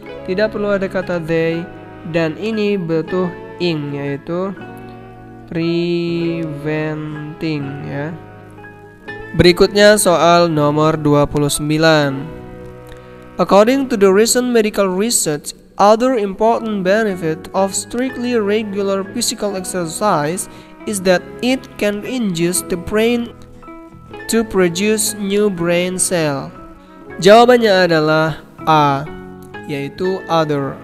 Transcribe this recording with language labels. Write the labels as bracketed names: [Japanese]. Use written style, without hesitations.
[Indonesian] Tidak perlu ada kata they, dan ini butuh ing, yaitu preventing ya. Berikutnya soal nomor 29. [English] According to the recent medical research, other important benefit of strictly regular physical exercise is that it can induce the brain to produce new brain cell. [Indonesian] Jawabannya adalah A, yaitu other.